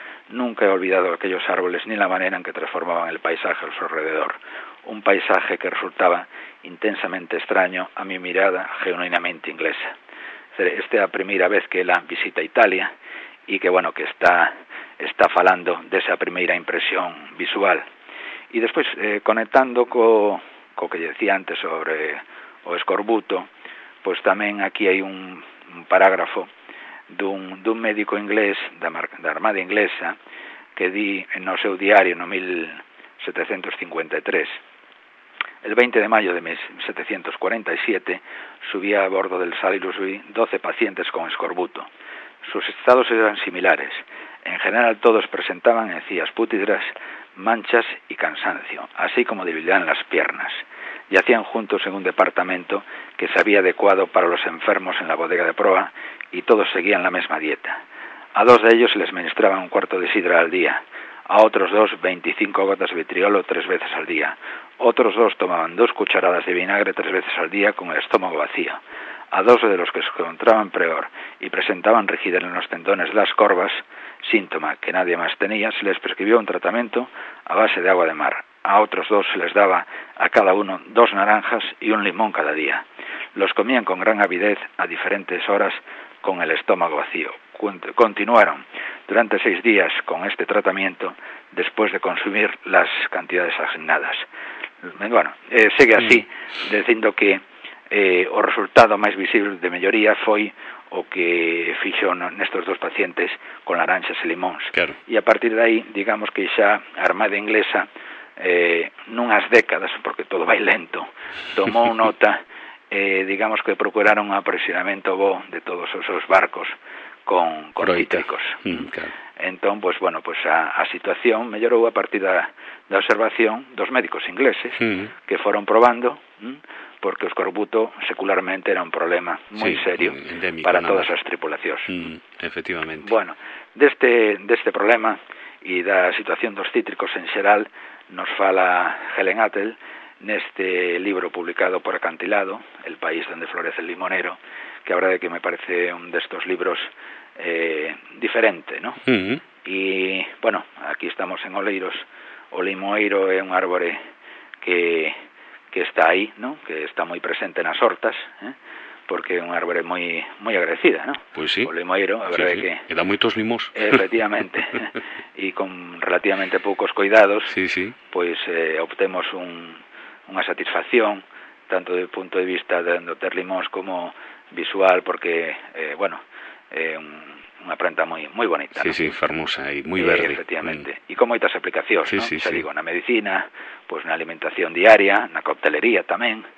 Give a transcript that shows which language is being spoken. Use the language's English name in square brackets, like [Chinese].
[Spanish] Nunca he olvidado aquellos árboles ni la manera en que transformaban el paisaje a su alrededor, un paisaje que resultaba intensamente extraño a mi mirada genuinamente inglesa. Esta es la primera vez que la visita Italia y que, bueno, que está falando de esa primeira impresión visual. [Galician] E despois, conectando co que decía antes sobre o escorbuto, pois tamén aquí hai un parágrafo dun médico inglés da Armada Inglesa que di no seu diario no 1753. [Spanish] El 20 de mayo de 1747 subía a bordo del Salisbury 12 pacientes con escorbuto. Sus estados eran similares. En general todos presentaban encías pútridas, manchas y cansancio, así como debilidad en las piernas. Yacían juntos en un departamento que se había adecuado para los enfermos en la bodega de proa y todos seguían la misma dieta. A dos de ellos se les ministraban un cuarto de sidra al día, a otros dos 25 gotas de vitriolo tres veces al día. Otros dos tomaban dos cucharadas de vinagre tres veces al día con el estómago vacío. A dos de los que se encontraban peor y presentaban rigidez en los tendones de las corvas, síntoma que nadie más tenía, se les prescribió un tratamiento a base de agua de mar. A otros dos se les daba a cada uno dos naranjas y un limón cada día. Los comían con gran avidez a diferentes horas con el estómago vacío. Continuaron durante 6 días con este tratamiento después de consumir las cantidades asignadas. [Galician] Bueno, sigue así, diciendo que o resultado máis visible de melloría foi o que fixo nestes dous pacientes con laranxas e limóns. Claro. E a partir de aí, digamos que xa a Armada Inglesa, nunhas décadas, porque todo vai lento, tomou nota, digamos que procuraron un aprisionamento bo de todos os seus barcos con cítricos. Claro. Entón, pues, bueno, pues a situación mellorou a partir da observación dos médicos ingleses que foron probando, porque o escorbuto secularmente era un problema moi serio para todas as tripulacións. Efectivamente. Bueno, deste problema e da situación dos cítricos en xeral nos fala Helen Attell neste libro publicado por Acantilado, El país donde florece el limonero, que a verdade que me parece un destos libros diferente, ¿no? E, bueno, aquí estamos en Oleiros. O limoeiro é un árbore que está aí, ¿no? Que está moi presente nas hortas, porque é un árbore moi moi agradecida, ¿no? [Spanish] Pues sí. [Galician] O limoeiro, a verdade que dá moitos limos. Efectivamente. E con relativamente poucos cuidados, sí. Pois obtemos unha satisfacción tanto do punto de vista de ter limos como visual, porque bueno, unha planta moi moi bonita. Sí, ¿no? Sí, fermosa e moi verde. Efectivamente. E con moitas aplicacións, sí, ¿no? Sí, xa sí. Digo, na medicina, pois na alimentación diaria, na coctelería tamén.